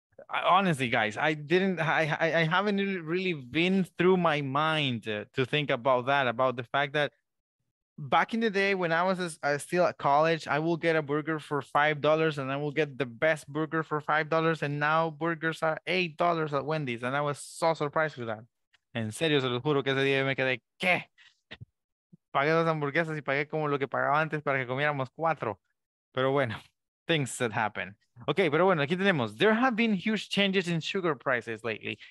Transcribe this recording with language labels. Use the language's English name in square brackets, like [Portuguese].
[English] Honestly, guys, I haven't really been through my mind to think about that, about the fact that back in the day when I was still at college, I will get a burger for $5 and I will get the best burger for $5. And now burgers are $8 at Wendy's. And I was so surprised with that. [Spanish] En serio, se lo juro que ese día me quedé, ¿qué? Pagué dos hamburguesas y pagué como lo que pagaba antes para que comiéramos cuatro. Pero bueno, [English] things that happen. [Spanish] Okay, pero bueno, aquí tenemos. [English] There have been huge changes in sugar prices lately.